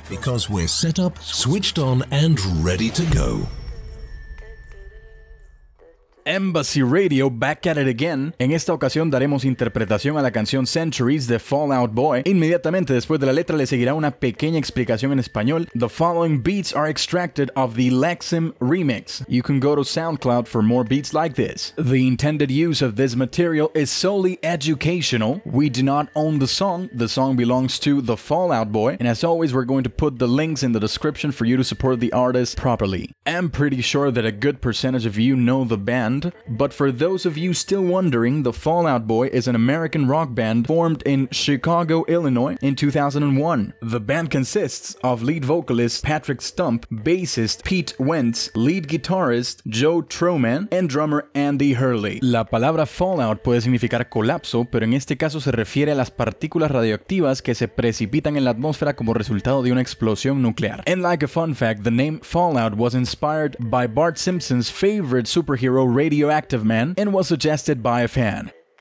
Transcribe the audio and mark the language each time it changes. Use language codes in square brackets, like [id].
[en] because we're set up, switched on, and ready to go. Embassy Radio, back at it again. [es] En esta ocasión daremos interpretación a la canción Centuries de Fall Out Boy. Inmediatamente después de la letra le seguirá una pequeña explicación en español. [en] The following beats are extracted of the Lexim remix. You can go to SoundCloud for more beats like this. The intended use of this material is solely educational. We do not own the song. The song belongs to the Fall Out Boy. And as always, we're going to put the links in the description for you to support the artist properly. I'm pretty sure that a good percentage of you know the band. But for those of you still wondering, the Fall Out Boy is an American rock band formed in Chicago, Illinois in 2001. The band consists of lead vocalist Patrick Stump, bassist Pete Wentz, lead guitarist Joe Troman, and drummer Andy Hurley. [es] La palabra fallout puede significar colapso, pero en este caso se refiere a las partículas radioactivas que se precipitan en la atmósfera como resultado de una explosión nuclear. [en] And like a fun fact, the name Fallout was inspired by Bart Simpson's favorite superhero Radioactive Man, and was suggested by a fan.